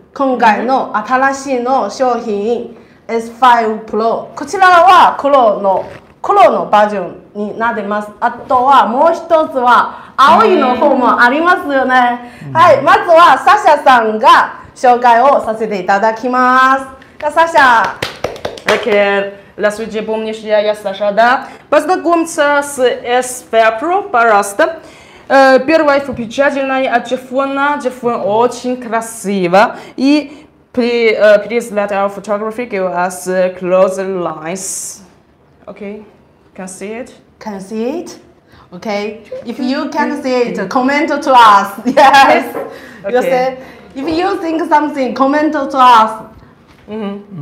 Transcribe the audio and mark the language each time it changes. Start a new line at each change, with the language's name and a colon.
Japanese: 今回の新しいの商品 S5 Pro こちらは黒のバージョンになってます。あとはもう一つは青いの方もありますよね。はい、まずはサシャさんが紹介をさせていただきます。じゃあサシャ。
English: Okay, last week,
Russian: помнишь, я Саша, да? Познакомься с S5 Pro, пожалуйста. Первое впечатление от телефона. Телефон очень красиво. И
English: please let our photography give us closer lines. Okay, can see it? Can see it? Okay, if you can see it, comment to us. Yes. You say, if you think something, comment to us.